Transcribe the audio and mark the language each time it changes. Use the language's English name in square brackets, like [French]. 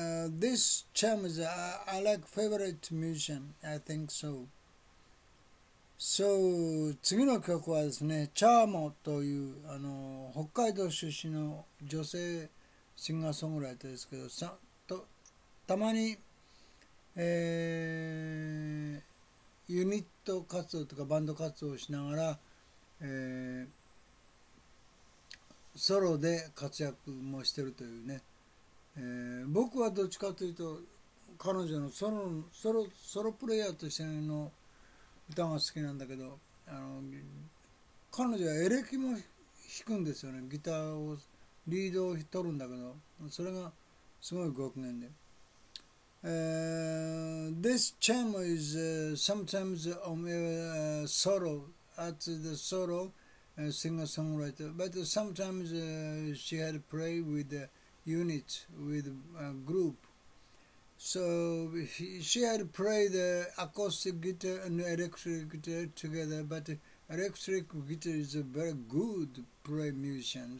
[English] This Chiamo is I like favorite musician, I think so. [Japanese] So, 次の曲はですね、チャーモという北海道出身の女性シンガーソングライターですけど、たまに、ユニット活動とかバンド活動をしながら、ソロで活躍もしてるというね、僕はどっちかというと彼女のソロプレイヤーとしての歌が好きなんだけど、彼女はエレキも弾くんですよね。ギターをリードを取るんだけど、それがすごい極限で。 [English] This Chiamo is sometimes on a solo at the solo singer-songwriter, but sometimes she had play with the unit, with a group. So she had played the acoustic guitar and electric guitar together, but electric guitar is a very good play musician.